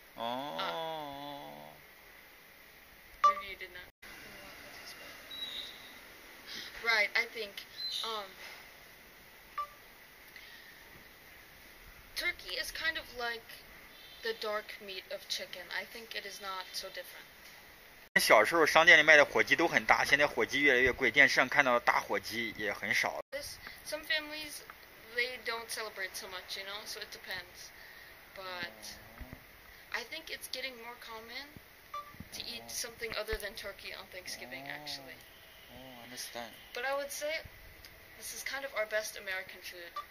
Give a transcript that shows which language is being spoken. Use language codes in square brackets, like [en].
[en] Maybe you did not. Right, I think. Turkey is kind of like the dark meat of chicken. I think it is not so different. [zh] 小时候商店里卖的火鸡都很大，现在火鸡越来越贵，电视上看到的大火鸡也很少。 [en] Some families. They don't celebrate so much, you know, so it depends. But I think it's getting more common to eat something other than turkey on Thanksgiving, actually. Understand. But I would say this is kind of our best American food.